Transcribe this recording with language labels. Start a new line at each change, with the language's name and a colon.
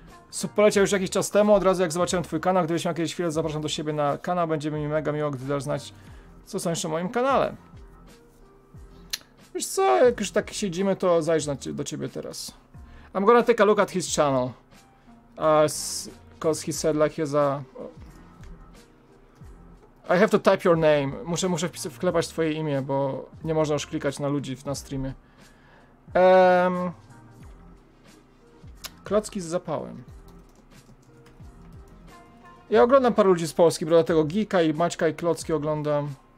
Polish: Supolecia już jakiś czas temu. Od razu jak zobaczyłem twój kanał, gdybyś miał kiedyś chwilę, zapraszam do siebie na kanał. Będzie mi mega miło, gdy dasz znać, co są jeszcze o moim kanale. Wiesz co, jak już tak siedzimy, to zajrzę do ciebie teraz.
English: I'm gonna take a look at his channel. Because he said like he's a... I have to type your name.
Polish: Muszę wklepać twoje imię, bo nie można już klikać na ludzi na streamie. Klocki z zapałem. Ja oglądam parę ludzi z Polski, bro, tego Geeka i Maćka i Klocki oglądam.